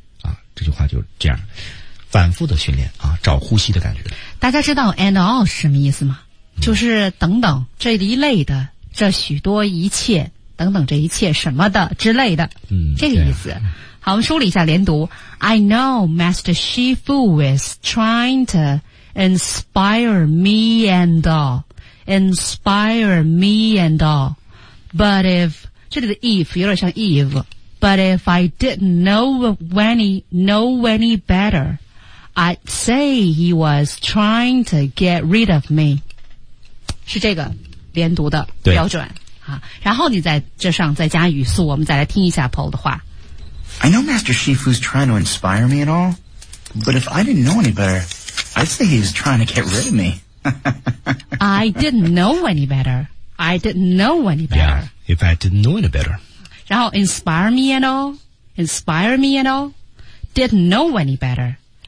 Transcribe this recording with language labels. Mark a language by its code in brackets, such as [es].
[zh] 啊，这句话就是这样，反复的训练啊，找呼吸的感觉。大家知道 and all 是什么意思吗？嗯、就是等等这一类的，这许多一切等等这一切什么的之类的，嗯，这个意思。好，我们梳理一下连读。 [en] I know Master Shifu is trying to inspire me and all, inspire me and all, but if. [zh] 这里的 if 有点像 [en] eve But if I didn't know any better I'd say he was trying to get rid of me [zh] 是这个连读的标准啊。然后你在这上再加语速我们再来听一下 Paul 的话 [en] I know Master Shifu's trying to inspire me and all But if I didn't know any better I'd say he was trying to get rid of me I didn't know any betterI didn't know any better. Yeah, if I didn't know any better. 然后 inspire me and all, inspire me and all, didn't know any better.